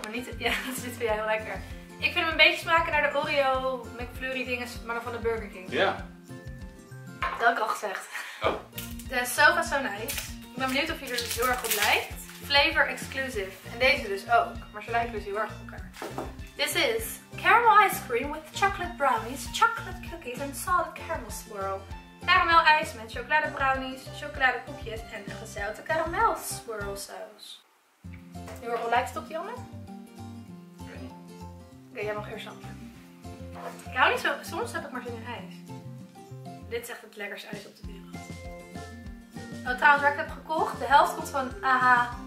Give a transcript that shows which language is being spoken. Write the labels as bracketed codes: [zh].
[nl] Maar niet, ja, dit vind jij heel lekker. Ik vind hem een beetje smaken naar de Oreo McFlurry dingen, maar dan van de Burger King. Ja. Dat heb ik al gezegd. Oh. De Sofa So Nice. Ik ben benieuwd of je er heel erg op lijkt. Flavor Exclusive. En deze dus ook. Maar ze lijken dus heel erg op elkaar. [en] This is caramel ice cream with chocolate brownies, chocolate cookies and solid caramel swirl. [nl] Caramel ijs met chocolade brownies, chocolade koekjes en een gezouten karamel swirl saus. Nu hoor, lijkt het op die andere? Oké, jij mag eerst handen. Ik hou niet zo, soms heb ik maar zin in ijs. Dit is echt het lekkerste ijs op de wereld. Nou, trouwens, waar ik heb gekocht, de helft komt van AH